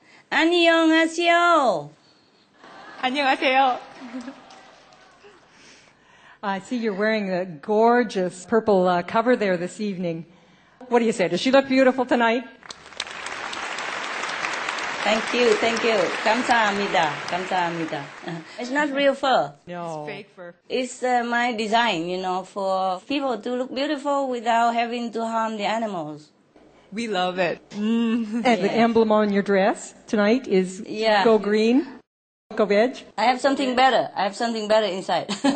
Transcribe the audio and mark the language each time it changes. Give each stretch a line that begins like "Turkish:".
Korean: 안녕하세요. 안녕하세요.
English: I see you're wearing the gorgeous purple cover there this evening. What do you say? Does she look beautiful tonight? Thank you, thank you.
Korean: 감사합니다, 감사합니다.
English: It's not real fur. No. It's fake fur. It's my design, you know, for people to look beautiful without having to harm the animals. We love it. And the emblem on your dress tonight is Go Green. I have something better. I have something better inside.